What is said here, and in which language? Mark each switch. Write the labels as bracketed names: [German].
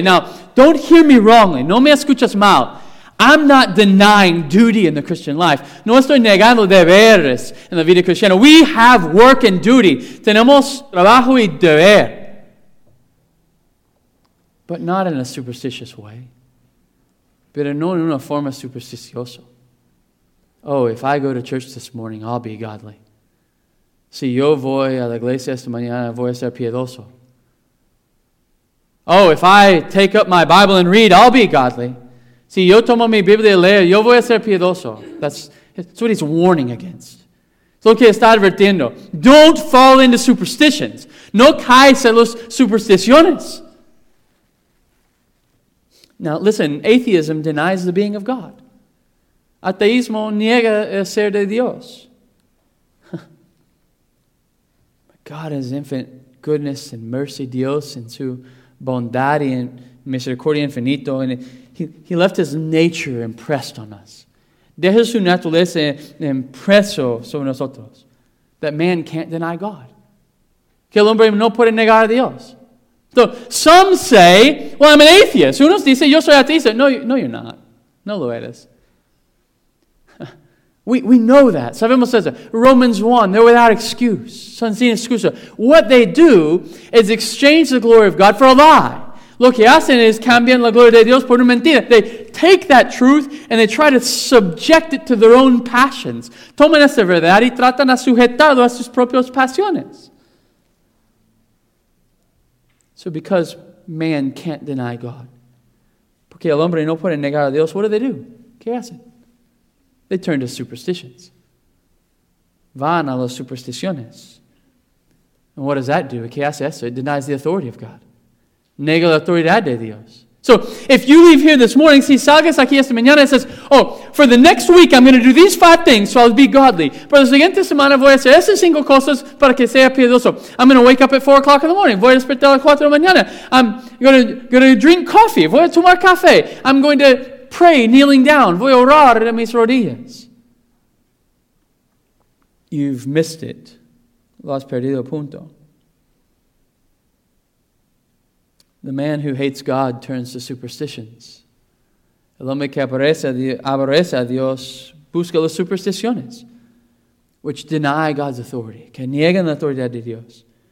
[English] Now, don't hear me wrongly. [Spanish] No me escuchas mal. [English] I'm not denying duty in the Christian life. [Spanish] No estoy negando deberes en la vida cristiana. [English] We have work and duty. [Spanish] Tenemos trabajo y deber. [English] But not in a superstitious way. [Spanish] Pero no en una forma supersticiosa. [English] Oh, if I go to church this morning, I'll be godly. [Spanish] Si yo voy a la iglesia esta mañana, voy a ser piedoso. [English] Oh, if I take up my Bible and read, I'll be godly. [Spanish] Si yo tomo mi Biblia y leo, yo voy a ser piedoso. [English] That's what he's warning against. [Spanish] Es lo que está advirtiendo. [English] Don't fall into superstitions. [Spanish] No caes en las supersticiones. [English] Now listen, atheism denies the being of God. [Spanish] Ateísmo niega el ser de Dios. [English] God is infinite goodness and mercy. [Spanish] Dios en su bondad y misericordia infinito. [English] And he left his nature impressed on us. [Spanish] Deja su naturaleza impreso sobre nosotros. [English] That man can't deny God. [Spanish] Que el hombre no puede negar a Dios. [English] So some say, well, I'm an atheist. [Spanish] Unos dicen, yo soy ateísta. [English] No, you're not. [Spanish] No lo eres. [English] We know that. [Spanish] Sabemos eso. [English] Romans 1, they're without excuse. [Spanish] Son sin excusa. [English] What they do is exchange the glory of God for a lie. [Spanish] Lo que hacen es cambian la gloria de Dios por una mentira. [English] They take that truth and they try to subject it to their own passions. [Spanish] Toman esa verdad y tratan a sujetarlo a sus propias pasiones. [English] So because man can't deny God, [Spanish] porque el hombre no puede negar a Dios, [English] what do? [Spanish] ¿Qué hacen? [English] They turn to superstitions. [Spanish] Van a las supersticiones. [English] And what does that do? [Spanish] ¿Qué hace eso? [English] It denies the authority of God. [Spanish] Nega la autoridad de Dios. [English] So if you leave here this morning, [Spanish] si salgas aquí esta mañana [English] and says, oh, for the next week I'm going to do these five things so I'll be godly. [Spanish] Por la siguiente semana voy a hacer esas cinco cosas para que sea piedoso. [English] I'm going to wake up at 4:00 in the morning. [Spanish] Voy a despertar a las 4 de la mañana. [English] I'm going to drink coffee. [Spanish] Voy a tomar café. [English] I'm going to pray kneeling down. [Spanish] Voy a orar en mis rodillas. [English] You've missed it. [Spanish] Lo has perdido, punto. [English] The man who hates God turns to superstitions. [Spanish] El hombre que aborrece a Dios busca las supersticiones, [English] which deny God's authority, [Spanish] que niegan la autoridad de Dios.